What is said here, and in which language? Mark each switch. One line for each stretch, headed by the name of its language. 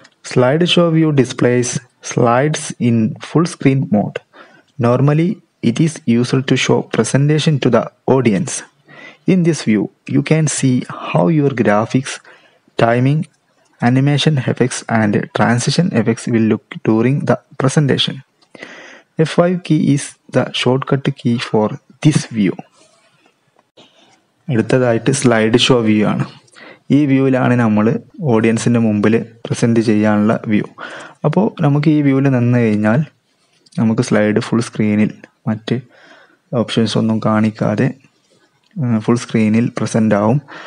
English: Slide show view displays slides in full screen mode. Normally it is used to show presentation to the audience. In this view you can see how your graphics, timing, animation effects and transition effects will look during the presentation. F5 key is the shortcut key for this view.
Malayalam: അടുത്തതായിട്ട് slide show view ആണ്. ഈ വ്യൂവിലാണ് നമ്മൾ ഓഡിയൻസിൻ്റെ മുമ്പിൽ present ചെയ്യാനുള്ള view. അപ്പോൾ നമുക്ക് ഈ വ്യൂവിൽ നിന്ന് കഴിഞ്ഞാൽ നമുക്ക് സ്ലൈഡ് ഫുൾ സ്ക്രീനിൽ, മറ്റ് ഓപ്ഷൻസ് ഒന്നും കാണിക്കാതെ ഫുൾ സ്ക്രീനിൽ പ്രസൻ്റ് ആവും.